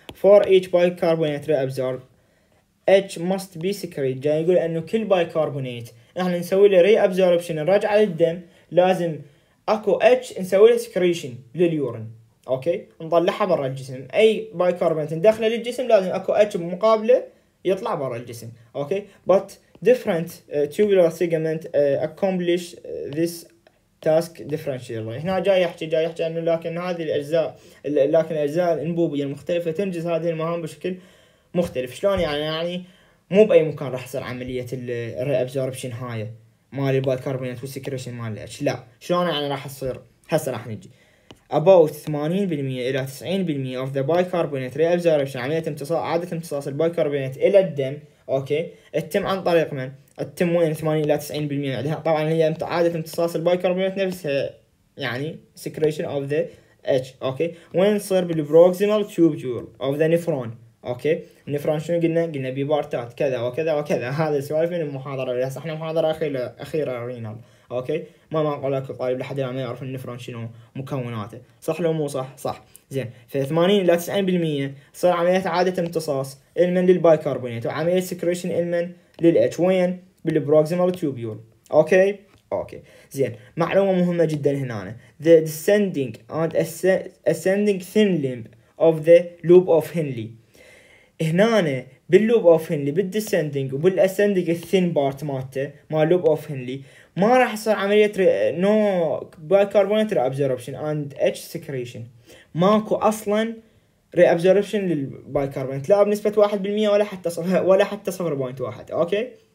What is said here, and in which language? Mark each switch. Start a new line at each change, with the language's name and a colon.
English: for H bicarbonate reabsorb H must be secrete,
Arabic: جاي يقول انه كل بايكربونات احنا نسوي له ري ابزوربشن نرجع للدم لازم اكو اتش نسوي له سكريشن لليورين اوكي، نطلعها برا الجسم. اي بايكربونات داخله للجسم لازم اكو اتش بمقابله يطلع برا الجسم اوكي.
English: But different tubular segment accomplish this task differentially.
Arabic: هنا جاي يحكي انه لكن هذه الاجزاء لكن الاجزاء الانبوبيه المختلفه تنجز هذه المهام بشكل مختلف. شلون يعني؟ يعني مو باي مكان راح تصير عمليه الري ابزوربشن هاي مال البايكربونات والسكريشن مال الاتش، لا شلون يعني راح تصير؟ هسه راح نجي.
English: About 80%
Arabic: الى 90%
English: of the bicarbonate reabsorption
Arabic: عمليه امتصاص، عاده امتصاص البايكربونات الى الدم اوكي تتم عن طريق من تتم وين؟ 80 الى 90% عندها طبعا هي عاده امتصاص البايكربونات نفسها يعني
English: secretion of the H
Arabic: اوكي. وين تصير؟ بالبروكسيمال تيوبول اوف ذا نيفرون اوكي. النيفرون شنو قلنا؟ قلنا ببارتات كذا وكذا وكذا، هذا سوالف من المحاضره اللي احنا محاضره اخيره رينال اوكي. ما معقول اكو طالب لحد الان ما يعرف النيفرون شنو مكوناته، صح لو مو صح؟ صح زين. ف 80 الى 90% صار عمليه عاده امتصاص المن للبايكربونات وعمليه سكريشن المن للاتش، وين؟ بالبروكسيمال تيوبيول اوكي. اوكي زين، معلومه مهمه جدا هنا.
English: The descending and ascending thin limb of the loop of Henle.
Arabic: هنا باللوب اوف هنلي بالديسندنج وبالاسندنج الثين بارت مالته مال لوب اوف هنلي ما راح يصير عملية
English: no bicarbonate reabsorption and H secretion,
Arabic: ماكو اصلا ري ابزوربشن للبايكربونات لا بنسبة 1% ولا حتى 0.1 اوكي.